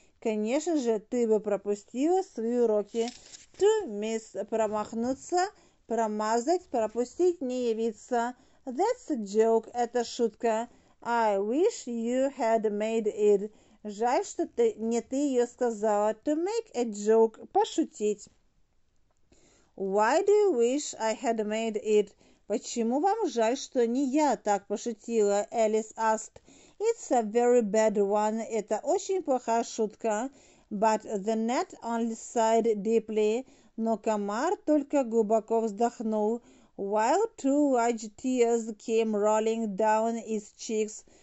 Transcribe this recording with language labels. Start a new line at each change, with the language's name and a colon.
Russian: Конечно же, ты бы пропустила свои уроки.
English: To miss,
Russian: промахнуться, промазать, пропустить, не явиться.
English: That's a joke,
Russian: это шутка.
English: I wish you had made it.
Russian: Жаль, что ты не ты ее сказала.
English: To make a joke,
Russian: пошутить.
English: Why do you wish I had made it?
Russian: Почему вам жаль, что не я так пошутила?
English: Alice asked. It's a very bad one.
Russian: Это очень плохая шутка.
English: But the gnat only sighed deeply.
Russian: Но комар только глубоко вздохнул.
English: While two large tears came rolling down his cheeks.